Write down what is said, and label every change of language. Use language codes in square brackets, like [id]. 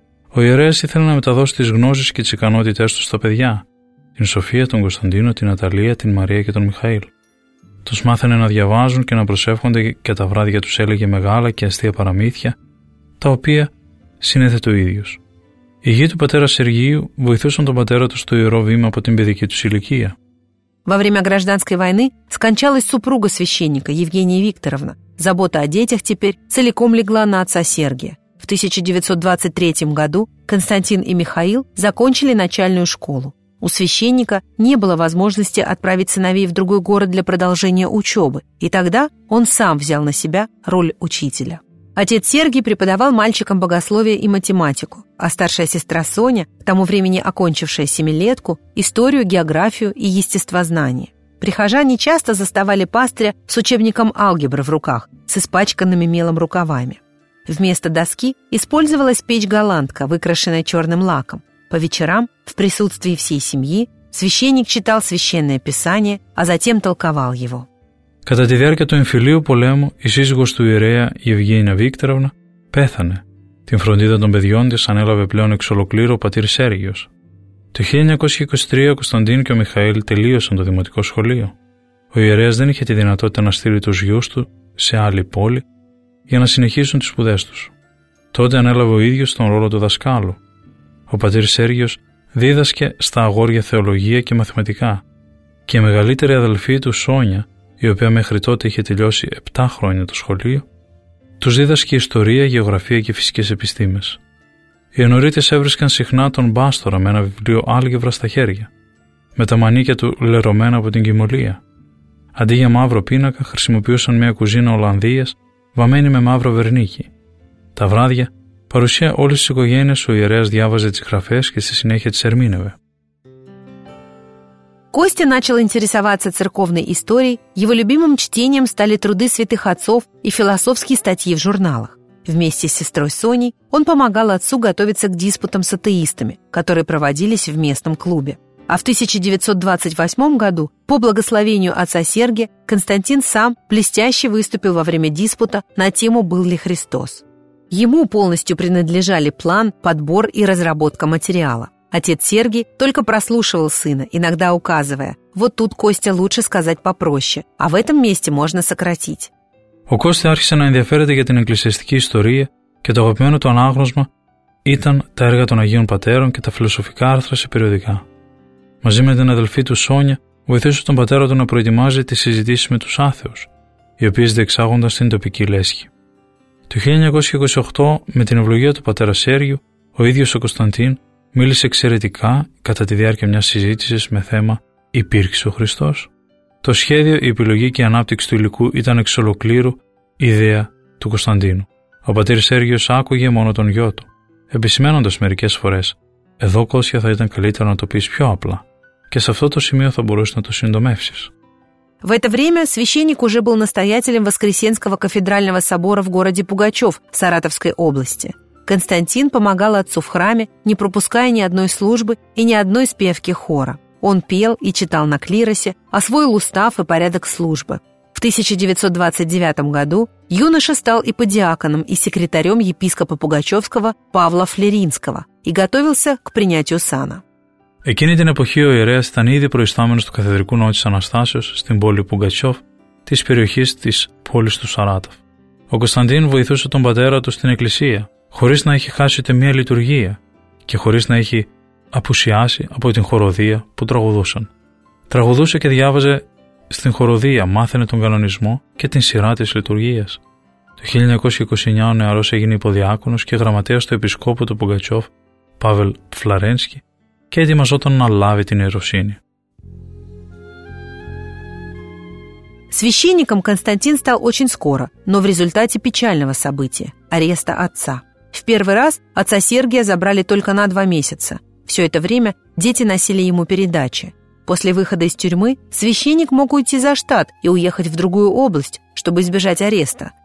[el] Ο ιερέας ήθελε να μεταδώσει τις γνώσεις και τις ικανότητές του στα παιδιά, την Σοφία, τον Κωνσταντίνο, την Αταλία, την Μαρία και τον Μιχαήλ. Τους μάθαινε να διαβάζουν και να προσεύχονται και τα βράδια τους έλεγε μεγάλα και αστεία παραμύθια, τα οποία συνέθετε ο ίδιος. Οι γιοι του πατέρα Σεργίου βοηθούσαν τον πατέρα του στο ιερό βήμα από την παιδική του ηλικία. [ru] Во время гражданской войны скончалась супруга священника Евгения Викторовна. Забота о детях теперь целиком легла на отца Сергия. В 1923 году Константин и Михаил закончили начальную школу. У священника не было возможности отправить сыновей в другой город для продолжения учебы, и тогда он сам взял на себя роль учителя. Отец Сергий преподавал мальчикам богословие и математику, а старшая сестра Соня, к тому времени окончившая семилетку, историю, географию и естествознание. Прихожане часто заставали пастыря с учебником алгебры в руках, с испачканными мелом рукавами. Вместо доски использовалась печь-голландка, выкрашенная черным лаком. По вечерам, в присутствии всей семьи, священник читал священное писание, а затем толковал его. [el] Κατά τη διάρκεια του εμφυλίου πολέμου, η σύζυγος του ιερέα, η Ευγένια Βίκτρεβνα, πέθανε. Την φροντίδα των παιδιών της ανέλαβε πλέον εξ ολοκλήρου ο πατήρ Σέργιος. Το 1923 ο Κωνσταντίν και ο Μιχαήλ τελείωσαν το δημοτικό σχολείο. Ο ιερέας δεν είχε τη δυνατότητα να στείλει τους γιους του σε άλλη πόλη για να συνεχίσουν τις σπουδές τους. Τότε ανέλαβε ο ίδιος τον ρόλο του δασκάλου. Ο πατήρ Σέργιος δίδασκε στα αγόρια θεολογία και μαθηματικά. Και η μεγαλύτερη αδελφή του Σόνια, η οποία μέχρι τότε είχε τελειώσει 7 χρόνια το σχολείο, τους δίδασκε ιστορία, γεωγραφία και φυσικές επιστήμες. Οι ενωρίτες έβρισκαν συχνά τον Μπάστορα με ένα βιβλίο άλγεβρα στα χέρια, με τα μανίκια του λερωμένα από την κυμολία. Αντί για μαύρο πίνακα, χρησιμοποιούσαν μια κουζίνα Ολλανδίας βαμμένη με μαύρο βερνίκι. Τα βράδια, παρουσία όλης της οικογένειας, ο ιερέας διάβαζε τις γραφές και στη συνέχεια τις ερμήνευε. [ru] Костя начал интересоваться церковной историей, его любимым чтением стали труды святых отцов и философские статьи в журналах. Вместе с сестрой Соней он помогал отцу готовиться к диспутам с атеистами, которые проводились в местном клубе. А в 1928 году, по благословению отца Сергия, Константин сам блестяще выступил во время диспута на тему «Был ли Христос?». Ему полностью принадлежали план, подбор и разработка материала. Отец Сергий только прослушивал сына, иногда указывая: «Вот тут, Костя, лучше сказать попроще, а в этом месте можно сократить». [el] Ο Κώστας άρχισε να ενδιαφέρεται για την εκκλησιαστική ιστορία και το αγαπημένο του ανάγνωσμα ήταν τα έργα των Αγίων Πατέρων και τα φιλοσοφικά άρθρα σε περιοδικά. Μαζί με την αδελφή του Σόνια βοηθούσε τον πατέρα του να προετοιμάζει τις συζητήσεις με τους άθεους, οι οποίες διεξάγονταν στην τοπική λέσχη. Το 1928, με την ευλογία του πατέρα Σέργιου, ο ίδιος ο Κωνσταντίν μίλησε εξαιρετικά κατά τη διάρκεια μιας συζήτησης με θέμα «Υπήρξε ο Χριστός». Το σχέδιο, η επιλογή και η ανάπτυξη του υλικού ήταν εξ ολοκλήρου ιδέα του Κωνσταντίνου. Ο πατήρ Σέργιος άκουγε μόνο τον γιο του, επισημένοντας μερικές φορές: «Εδώ, Κώστια, θα ήταν καλύτερο να το πεις πιο απλά. Και σε αυτό το σημείο θα μπορούσε να το συντομεύσεις». [ru] В это время священник уже был настоятелем Воскресенского кафедрального собора в городе Пугачёв, Саратовской области. Константин помогал отцу в храме, не пропуская ни одной службы и ни одной спевки хора. Он пел и читал на клиросе, освоил устав и порядок службы. В 1929 году юноша стал и подиаконом, и секретарем епископа Пугачевского Павла Флеринского и готовился к принятию сана. [el] Εκείνη την εποχή ο ιερέας ήταν ήδη προϊστάμενος του καθεδρικού ναού της Αναστάσεως στην πόλη Πουγκατσόφ της περιοχής της πόλης του Σαράτοφ. Ο Κωνσταντίν βοηθούσε τον πατέρα του στην εκκλησία, χωρίς να έχει χάσει ούτε μία λειτουργία και χωρίς να έχει απουσιάσει από την χοροδία που τραγουδούσαν. Τραγουδούσε και διάβαζε στην χοροδία, μάθαινε τον κανονισμό και την σειρά της λειτουργίας. Το 1929 ο νεαρός έγινε υποδιάκονος και γραμματέας του επισκόπου του Πουγκατσόφ, Παύλ Φλαρένσκι, και ετοιμαζόταν να λάβει την ιεροσύνη. [ru] Священником Константин стал очень скоро, но в результате печального события – ареста отца. В первый раз отца Сергия забрали только на 2 месяца. Все это время дети носили ему передачи. После выхода из тюрьмы священник мог уйти за штат и уехать в другую область, чтобы избежать ареста.